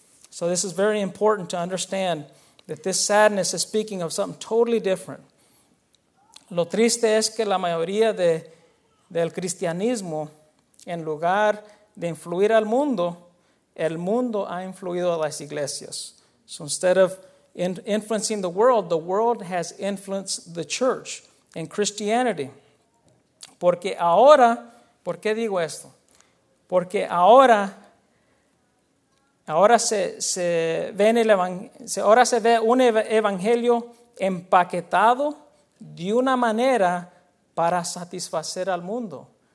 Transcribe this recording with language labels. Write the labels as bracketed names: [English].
[English] So this is very important to understand that this sadness is speaking of something totally different. [Spanish] Lo triste es que la mayoría del cristianismo, en lugar de influir al mundo, el mundo ha influido a las iglesias. [English] So instead of influencing the world has influenced the church and Christianity. [Spanish] Porque ahora, ¿por qué digo esto? Porque ahora se ve un evangelio empaquetado de una manera para satisfacer al mundo.